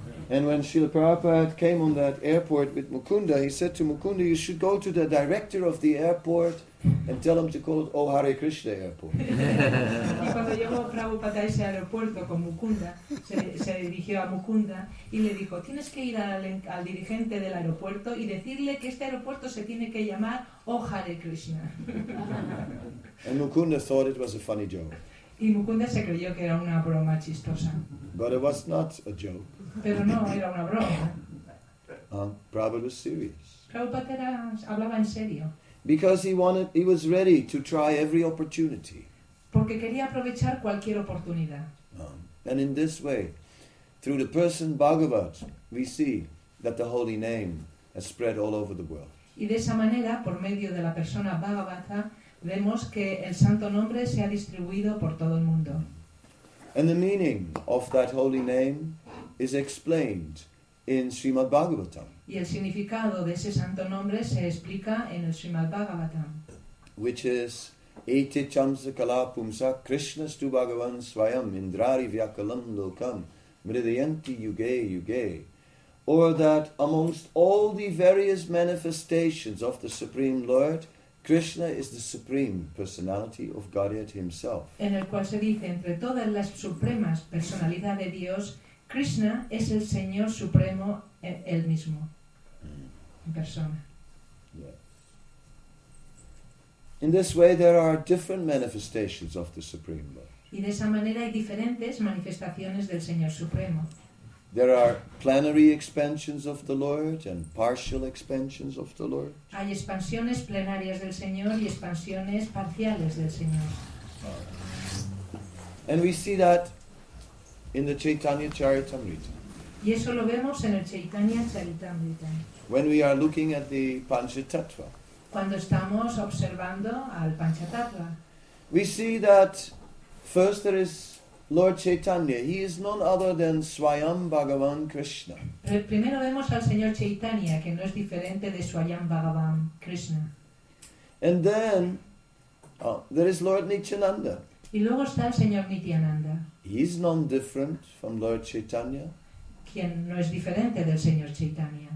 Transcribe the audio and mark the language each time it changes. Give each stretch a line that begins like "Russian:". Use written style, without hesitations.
English: And when Srila Prabhupada came on that airport with Mukunda, he said to Mukunda, you should go to the director of the airport and tell him to call it O'Hare Krishna Airport.
Spanish: Y cuando llegó Prabhupada a ese aeropuerto con Mukunda, se dirigió a Mukunda y le dijo, tienes que ir al dirigente del aeropuerto y decirle que este aeropuerto se tiene que llamar O'Hare Krishna.
English: And Mukunda thought it was a funny joke.
Spanish: Y Mukunda se creyó que era una broma chistosa.
English: But it was not a joke.
Spanish: Pero no, era una broma.
English: Prabhupada was serious.
Spanish: Prabhupada hablaba en serio.
English: Because he was ready to try every opportunity.
Spanish: Porque quería aprovechar cualquier oportunidad.
English: And in this way, through the person Bhagavat, we see that the holy name has spread all over the world.
Spanish: Y de esa manera, por medio de la persona Bhagavata, vemos que el santo nombre se ha distribuido por todo el mundo.
English: And the meaning of that holy name is explained in Srimad Bhagavatam.
Spanish: Y el significado de ese santo nombre se explica en el Srimad Bhagavatam.
English: Which is
Sanskrit: Eti Chamsa Kala Pumsa Krishna Stu Bhagavan Swayam Indrari Vyakalam Lokam Mridayanti Yuge Yuge.
English: Or that amongst all the various manifestations of the Supreme Lord, Krishna is the supreme personality of Godhead himself.
Spanish: En el cual se dice, entre todas las supremas personalidades de Dios, Krishna es el Señor supremo él mismo, en persona.
English: In this way there are different manifestations of the Supreme Lord.
Spanish: Y de esa manera hay diferentes manifestaciones del Señor supremo.
English: There are plenary expansions of the Lord and partial expansions of the Lord.
Spanish: Hay expansiones plenarias del Señor y expansiones parciales del Señor.
English: And we see that in the Chaitanya Charitamrita.
Spanish: Y eso lo vemos en el Chaitanya Charitamrita.
English: When we are looking at the Panchatattva.
Spanish: Cuando estamos observando al Panchatattva.
English: We see that first there is Lord Chaitanya, he is none other than Swayam Bhagavan Krishna.
Spanish: Pero primero vemos al señor Chaitanya, que no es diferente de Swayam Bhagavan Krishna.
English: And then, there is Lord Nityananda.
Spanish: Y luego está el señor Nityananda.
English: He is none different from Lord Chaitanya.
Spanish: Quien no es diferente del señor Chaitanya.